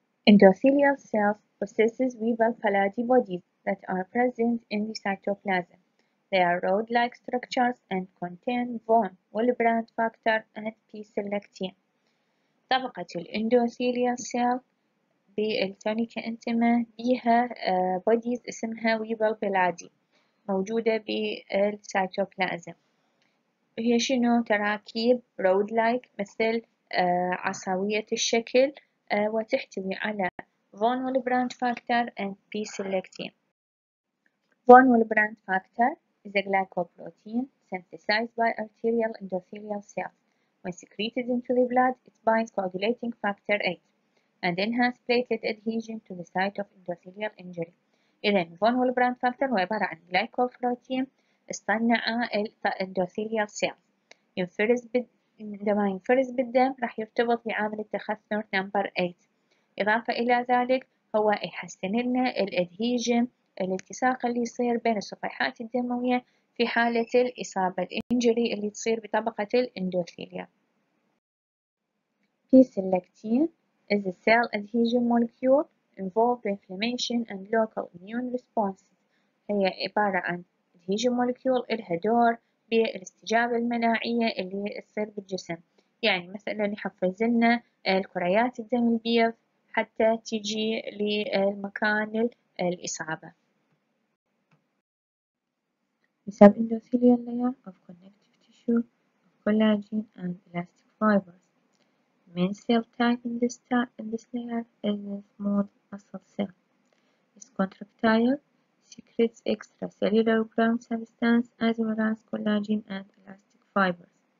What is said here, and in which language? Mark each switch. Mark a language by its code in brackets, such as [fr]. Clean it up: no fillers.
[en] Endothelial cells possesses weevil pallidi bodies that are present in the cytoplasm. They are rod-like structures and contain von Willebrand factor and P-selectin. [ar] طبقة الendothelial cell بالتونيكا انتما بيها bodies اسمها weevil pallidi موجودة بالcytoplasm. هي شنو؟ تراكيب rod-like مثل عصوية الشكل وتحتوي على [en] von Willebrand factor and P-selectin. von Willebrand factor is a glycoprotein synthesized by arterial endothelial cells. When secreted into the blood, it binds coagulating factor 8 and enhances platelet adhesion to the site of endothelial injury. [ar] إذن von Willebrand factor هو عبارة عن glycoprotein اصطنع endothelial cells. ينفرز عندما ينفرز بالدم راح يرتبط بعامل التخثر نمبر 8. إضافة إلى ذلك هو يحسن لنا الادهيجن الالتصاق اللي يصير بين الصفيحات الدموية في في حالة الإصابة الإنجري اللي تصير بطبقة الإندوثيليا. [en] P-selectin is a cell adhesion molecule involved in inflammation and local immune responses. [ar] هي عبارة عن adhesion molecule إلها دور بالاستجابة المناعية اللي تصير بالجسم، يعني مثلا يحفز لنا الكريات الدم البيض حتى تجي للمكان الإصابة. [en] Subendothelial layer of connective tissue of collagen and elastic fibers. Main cell type in this layer is a small muscle cell. It's contractile, secretes extracellular ground substance as well as collagen and elastic fibers.